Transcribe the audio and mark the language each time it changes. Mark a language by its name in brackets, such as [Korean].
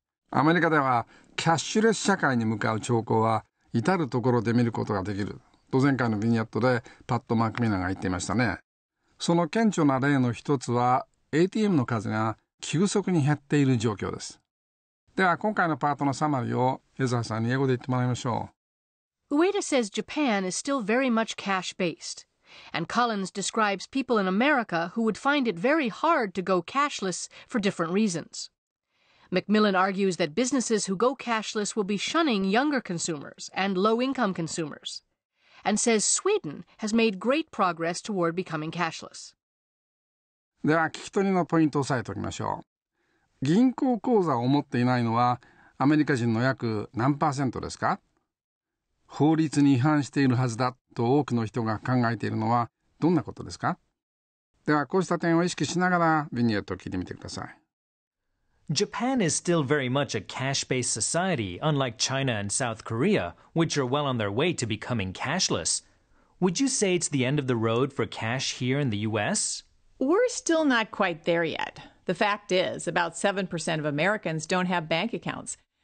[Japanese] アメリカではキャッシュレス社会に向かう兆候は至るところで見ることができると、前回のビニエットでパッド・マークミナーが言っていましたね。その顕著な例の一つは ATM の数が急速に減っている状況です。では今回のパートのサマリーを江澤さんに英語で言ってもらいましょう。 [English] Ueda says Japan is still very much cash based. And Collins describes people in America who would find it very hard to go cashless for different reasons. McMillan argues that businesses who go cashless will be shunning younger consumers and low-income consumers, and says Sweden has made great progress toward becoming cashless. [Japanese] では聞き取りのポイントを押さえておきましょう。銀行口座を持っていないのはアメリカ人の約何パーセントですか？法律に違反しているはずだと多くの人が考えているのはどんなことですか？ではこうした点を意識しながらビニエットを聞いてみてください。 [English] Japan is still very much a cash-based society, unlike China and South Korea, which are well on their way to becoming cashless. Would you say it's the end of the road for cash here in the US? We're still not quite there yet. The fact is, about 7% of Americans don't have bank accounts.